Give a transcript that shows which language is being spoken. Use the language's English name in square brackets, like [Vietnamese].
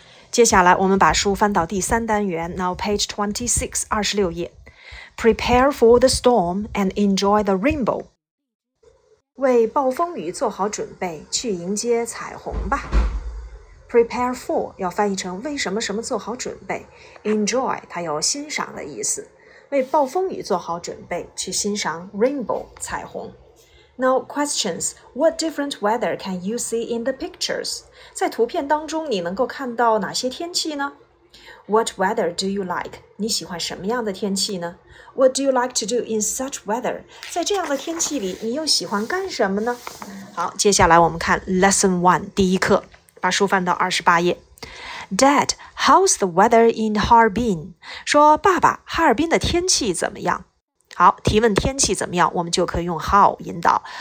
[Chinese] 接下来我们把书翻到第三单元 [English] Now page 26, [Chinese] 26页 [English] Prepare for the storm and enjoy the rainbow [Chinese] 为暴风雨做好准备去迎接彩虹吧 Prepare for 要翻译成为什么什么做好准备 Enjoy 它有欣赏的意思为暴风雨做好准备去欣赏 rainbow 彩虹 [English] Now, questions. What different weather can you see in the pictures? [Chinese] 在图片当中你能够看到哪些天气呢? [English] What weather do you like? [Chinese] 你喜欢什么样的天气呢? [English] What do you like to do in such weather? [Chinese] 在这样的天气里你又喜欢干什么呢? 好,接下来我们看 Lesson 1, 第一课,把书翻到28页。 [English] Dad, how's the weather in Harbin? [Chinese] 说爸爸，哈尔滨的天气怎么样？好，提问天气怎么样，我们就可以用 how 引导。